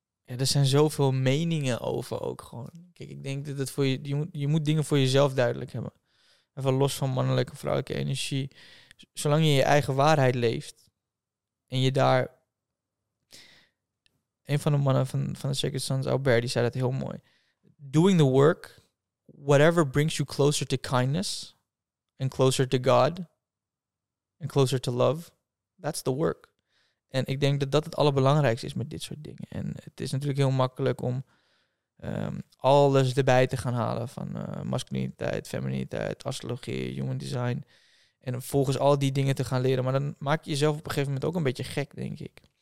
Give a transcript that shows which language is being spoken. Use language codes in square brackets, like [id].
[nl] Ja, er zijn zoveel meningen over ook gewoon. Kijk, ik denk dat het voor je moet dingen voor jezelf duidelijk hebben. Even los van mannelijke en vrouwelijke energie. Zolang je eigen waarheid leeft. En je daar... Een van de mannen van de Sacred Sons, Albert, die zei dat heel mooi. [en] Doing the work, whatever brings you closer to kindness. And closer to God. And closer to love. That's the work. [nl] En ik denk dat het allerbelangrijkste is met dit soort dingen. En het is natuurlijk heel makkelijk om... alles erbij te gaan halen van masculiniteit, femininiteit, astrologie, human design. En volgens al die dingen te gaan leren. Maar dan maak je jezelf op een gegeven moment ook een beetje gek, denk ik.